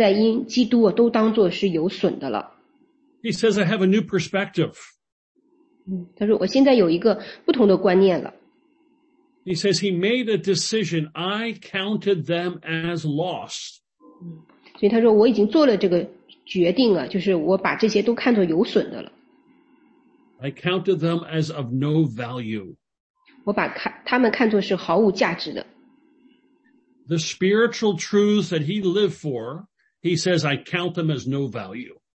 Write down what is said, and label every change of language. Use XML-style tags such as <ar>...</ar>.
<zh>他说以前我觉得对我是有好处的,是有益处的,我现在因基督都当作是有损的了。</zh> <en>He says I have a new perspective.</en> <zh>他说我现在有一个不同的观念了。</zh> <en>He says he made a decision, I counted them as loss.</en> <zh>所以他说我已经做了这个决定了,就是我把这些都看作有损的了。</zh> <en>I counted them as of no value.</en> <zh>我把他们看作是毫无价值的。</zh> <en>The spiritual truths that he lived for, he says, I count them as no value.</en>